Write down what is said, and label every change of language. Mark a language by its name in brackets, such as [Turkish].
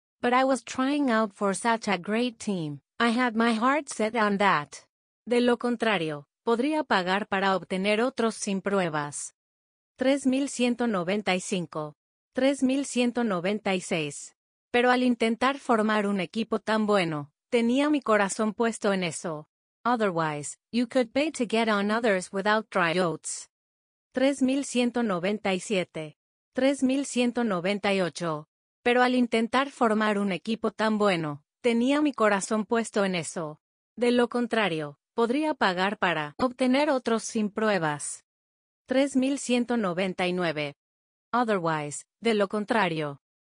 [English] But I was trying out for such a great team. I had my heart set on that. [Spanish] De lo contrario, podría pagar para obtener otros sin pruebas. [English] 3195. 3196. [Spanish] Pero al intentar formar un equipo tan bueno, tenía mi corazón puesto en eso. [English] Otherwise, you could pay to get on others without tryouts. 3197. 3198. [Spanish] Pero al intentar formar un equipo tan bueno, tenía mi corazón puesto en eso. De lo contrario, podría pagar para obtener otros sin pruebas. [English] 3199. Otherwise, [Spanish] de lo contrario.